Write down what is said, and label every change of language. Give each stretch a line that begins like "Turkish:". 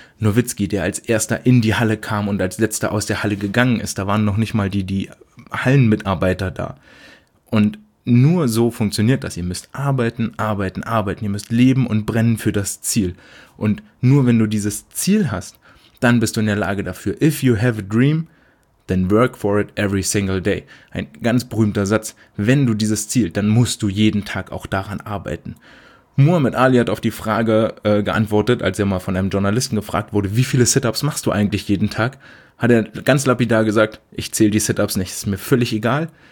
German: Nowitzki, der als erster in die Halle kam und als letzter aus der Halle gegangen ist. Da waren noch nicht mal die Hallenmitarbeiter da. Und nur so funktioniert das. Ihr müsst arbeiten, arbeiten, arbeiten. Ihr müsst leben und brennen für das Ziel. Und nur wenn du dieses Ziel hast, dann bist du in der Lage dafür.
English: If you have a dream, then work for it every single day.
German: Ein ganz berühmter Satz. Wenn du dieses Ziel, dann musst du jeden Tag auch daran arbeiten. Muhammad Ali hat auf die Frage geantwortet, als er mal von einem Journalisten gefragt wurde, wie viele Sit-Ups machst du eigentlich jeden Tag? Hat er ganz lapidar gesagt, ich zähle die Sit-Ups nicht, ist mir völlig egal.